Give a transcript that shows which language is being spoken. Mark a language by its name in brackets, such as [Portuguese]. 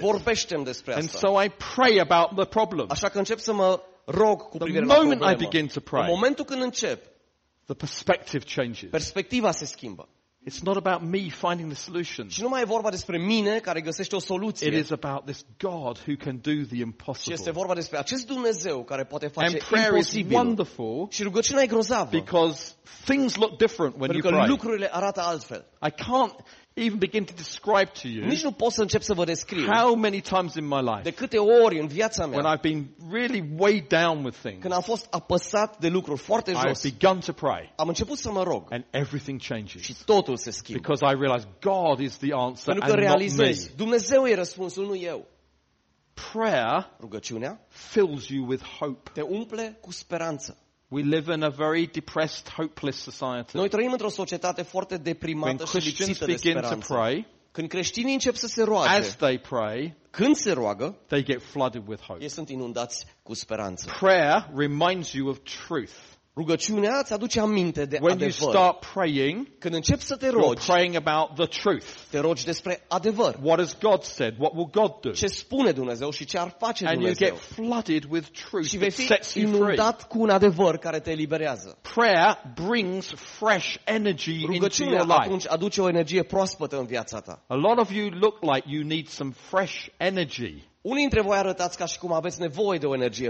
[Romanian] Vorbește-mi despre asta. [English] And so I pray about the problem. [Romanian] Așa că încep să mă rog cu privire la problemă. [English] The moment I begin to pray, [Romanian] în momentul când încep, [English] the perspective changes. [Romanian] Perspectiva se schimbă. [English] It's not about me finding the solution. [Romanian] Și nu mai e vorba despre mine care găsește o soluție. [English] It is about this God who can do the impossible. [Romanian] Și este vorba despre acest Dumnezeu care poate face [English] and prayer [Romanian] imposibil. [English] Is wonderful. [Romanian] Și rugăciunea e grozavă. [English] Because things look different when [Romanian] pentru [English] you pray. [Romanian] Pentru că lucrurile arată altfel. [English] I can't even begin to describe to you. [Romanian] Nici nu pot să încep să vă descriu. [English] How many times in my life? [Romanian] De câte ori în viața mea? [English] When I've been really weighed down with things. [Romanian] Când am fost apăsat de lucruri foarte jos. [English] I've begun to pray. [Romanian] Am început să mă rog. [English] And everything changes. [Romanian] Și totul se schimbă. [English] Because I realize God is the answer and not me. [Romanian] Pentru că realizez, Dumnezeu e răspunsul, nu eu. [English] Prayer, [Romanian] rugăciunea, [English] fills you with hope. [Romanian] Te umple cu speranță. [English] We live in a very depressed, hopeless society. [Romanian] Noi trăim într-o societate foarte deprimată și lipsită de speranță. Când creștinii încep să se roage, [English] as they pray, [Romanian] când se roagă, [English] they get flooded with hope. [Romanian] Ei sunt inundați cu speranță. [English] Prayer reminds you of truth. [Romanian] Rugăciunea îți aduce aminte de [English] when [Romanian] adevăr. [English] You start praying, [Romanian] când începi să te rogi, [English] you're praying about the truth. [Romanian] Te rogi despre adevăr. [English] What has God said? What will God do? [Romanian] Ce spune Dumnezeu și ce ar face [English] and [Romanian] Dumnezeu? [English] You get flooded with truth. [Romanian] Și vei fi inundat cu un adevăr care te eliberează. [English] Prayer brings fresh energy [Romanian] rugăciunea [English] into your life. [Romanian] Rugăciunea aduce o energie proaspătă în viața ta. [English] A lot of you look like you need some fresh energy. [Romanian] Unii dintre voi arătați ca și cum aveți nevoie de o energie